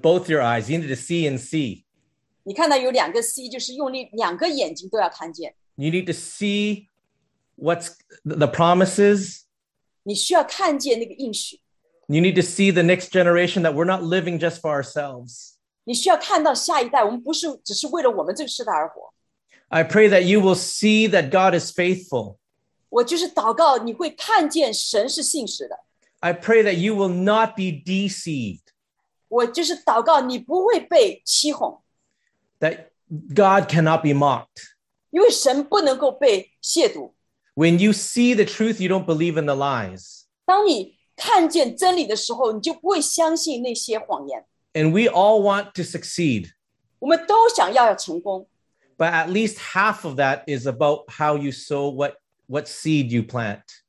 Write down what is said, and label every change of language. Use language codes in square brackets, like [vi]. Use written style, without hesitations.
[en] both your eyes, you need to see and see. [zh] 你看到有两个C，就是用力两个眼睛都要看见。 [en] You need to see what's the promises. [zh] 你需要看见那个应许。 [en] You need to see the next generation that we're not living just for ourselves. [zh] 你需要看到下一代，我们不是只是为了我们这个世代而活。 [en] I pray that you will see that God is faithful. [zh] 我就是祷告你会看见神是信实的。 [en] I pray that you will not be deceived. [zh] 我就是祷告你不会被欺哄。 [en] That God cannot be mocked. [zh] 因为神不能够被亵渎。 [en] When you see the truth, you don't believe in the lies. [zh] 当你看见真理的时候，你就不会相信那些谎言。 [en] And we all want to succeed. [zh] 我们都想要成功。 [en] But at least half of that is about how you sow what seed you plant.